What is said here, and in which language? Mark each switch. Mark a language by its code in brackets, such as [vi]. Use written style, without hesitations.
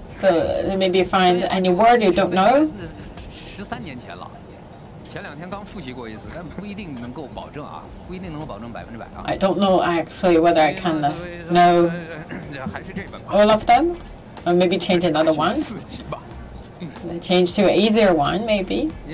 [en] So maybe find any word you don't know. [zh] 13年前了，前两天刚复习过一次，但不一定能够保证啊，不一定能够保证100%啊。 [en] I don't know actually whether I can know all of them, or maybe change another one. change to an easier one, maybe.